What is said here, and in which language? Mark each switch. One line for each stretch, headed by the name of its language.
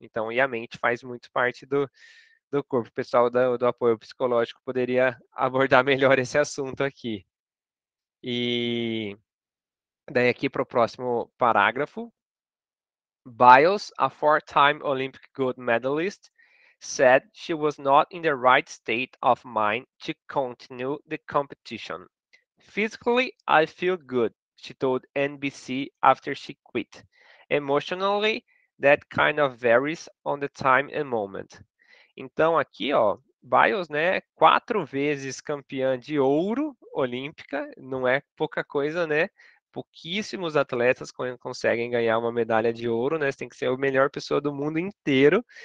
Portuguese: Então, e a mente faz muito parte do corpo. O pessoal do apoio psicológico poderia abordar melhor esse assunto aqui. E daí aqui para o próximo parágrafo.
English: Biles, a four-time Olympic gold medalist, said she was not in the right state of mind to continue the competition. Physically, I feel good, she told NBC after she quit. Emotionally, that kind of varies on the time and moment.
Portuguese: Então, aqui, ó, Biles, né, 4 vezes campeã de ouro olímpica, não é pouca coisa, né? Pouquíssimos atletas conseguem ganhar uma medalha de ouro, né? Você tem que ser a melhor pessoa do mundo inteiro.